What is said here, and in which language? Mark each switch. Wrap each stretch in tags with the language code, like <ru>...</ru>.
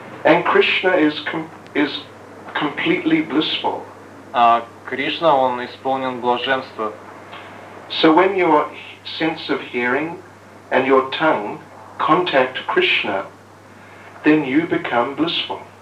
<en>And Krishna is completely blissful.</en> <ru>А Кришна, он исполнен блаженства.</ru> <en>So when your sense of hearing and your tongue contact Krishna, then you become blissful.</en>